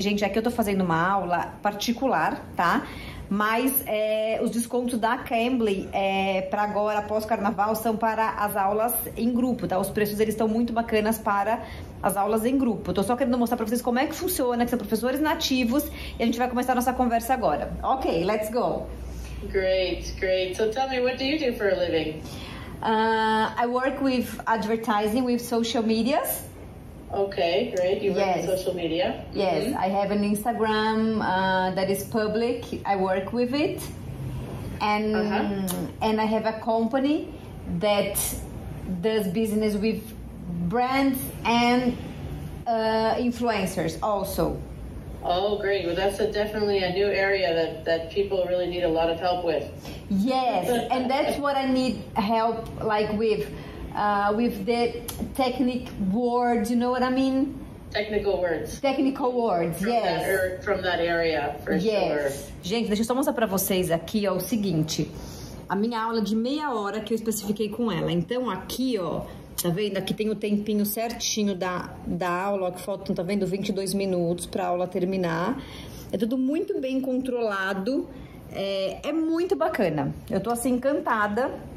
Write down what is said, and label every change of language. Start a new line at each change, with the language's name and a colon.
Portuguese: Gente, aqui eu tô fazendo uma aula particular, tá? Mas os descontos da Cambly para agora, pós-carnaval, são para as aulas em grupo, tá? Os preços eles estão muito bacanas para as aulas em grupo. Tô só querendo mostrar para vocês como é que funciona, que são professores nativos, e a gente vai começar a nossa conversa agora.
English: Ok, let's go. Great, great. So tell me, what do you do for a living? I work with advertising, with social medias. Okay, great. You work in Yes. social media. Yes, I have an Instagram that is public. I work with it, and I have a company that does business with brands and influencers also. Oh, great. Well, that's definitely a new area that people really need a lot of help with. Yes, and that's what I need help like with the technique words. You know what I mean? Technical words Technical words, yes. from that area, for Yes. sure.
Portuguese: Gente, deixa eu só mostrar pra vocês aqui, ó, o seguinte. A minha aula de meia hora que eu especifiquei com ela. Então, aqui, ó, tá vendo? Aqui tem o tempinho certinho da aula, ó, que faltam, tá vendo? 22 minutos pra aula terminar. É tudo muito bem controlado. É muito bacana. Eu tô assim, encantada.